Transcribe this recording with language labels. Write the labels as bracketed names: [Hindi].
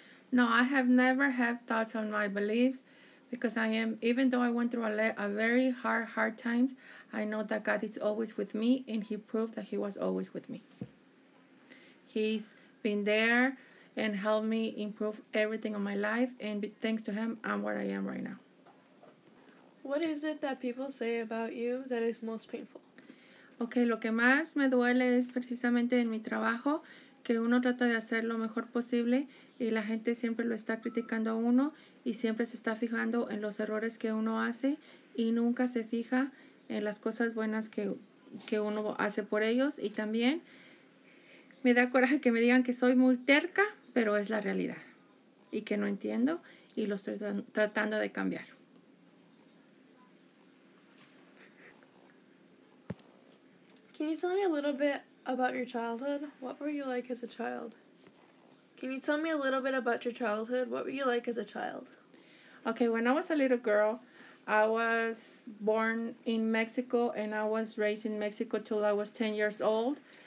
[English] No, I have never had doubts on my beliefs because I am, even though I went through a very hard times, I know that God is always with me, and He proved that He was always with me. He's been there and helped me improve everything in my life, and thanks to Him, I'm where I am right now. What is it that people say about you that is most painful? [Spanish] Okay, lo que más me duele es precisamente en mi trabajo, que uno trata de hacer lo mejor posible y la gente siempre lo está criticando a uno y siempre se está fijando en los errores que uno hace y nunca se fija en las cosas buenas que uno hace por ellos. Y también me da coraje que me digan que soy muy terca, pero es la realidad y que no entiendo y lo estoy tratando de cambiar. [English] Can you tell me a little bit about your childhood? What were you like as a child? Can you tell me a little bit about your childhood? What were you like as a child? Okay, when I was a little girl, I was born in Mexico and I was raised in Mexico till I was 10 years old.